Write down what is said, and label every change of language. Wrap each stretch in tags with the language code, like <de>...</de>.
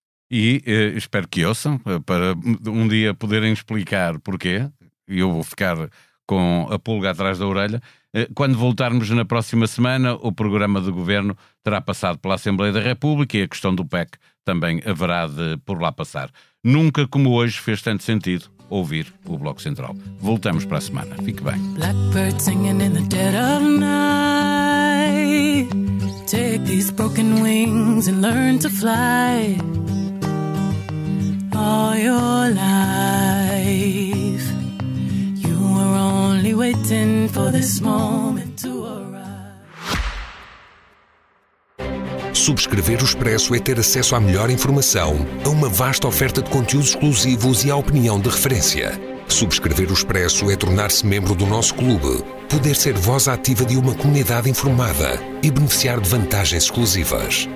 <pt>E espero que ouçam, para um dia poderem explicar porquê, e eu vou ficar com a pulga atrás da orelha. Quando voltarmos na próxima semana, o programa do Governo terá passado pela Assembleia da República e a questão do PEC também haverá de por lá passar. Nunca como hoje fez tanto sentido ouvir o Bloco Central. Voltamos para a semana. Fique bem.</pt> <en>Blackbird singing in the dead of night. Take these broken wings and learn to fly. All your life. You were only waiting for this moment to arrive.</en> <pt>Subscrever o Expresso é ter acesso à melhor informação, a uma vasta oferta de conteúdos exclusivos e à opinião de referência. Subscrever o Expresso é tornar-se membro do nosso clube, poder ser voz ativa de uma comunidade informada e beneficiar de vantagens exclusivas.</pt>